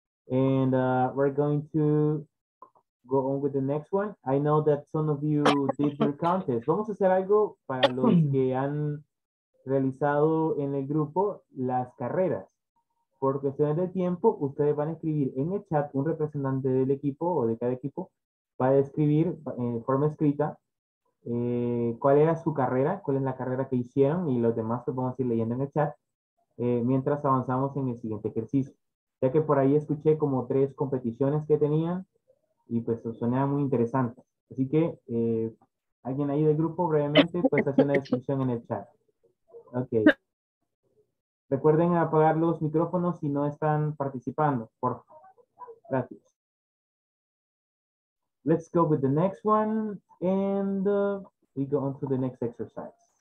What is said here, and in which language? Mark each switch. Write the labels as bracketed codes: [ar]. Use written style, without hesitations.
[en] And we're going to go on with the next one. I know that some of you did your contest. [es] Vamos a hacer algo para los que han realizado en el grupo las carreras. Por cuestiones de tiempo, ustedes van a escribir en el chat un representante del equipo o de cada equipo para escribir en forma escrita cuál era su carrera, cuál es la carrera que hicieron y los demás los vamos a ir leyendo en el chat mientras avanzamos en el siguiente ejercicio. Ya que por ahí escuché como 3 competiciones que tenían y pues sonaba muy interesante. Así que, ¿alguien ahí del grupo brevemente? Pues hace una descripción en el chat. Ok. Recuerden apagar los micrófonos si no están participando, por favor. Gracias. [en] Let's go with the next one and we go on to the next exercise.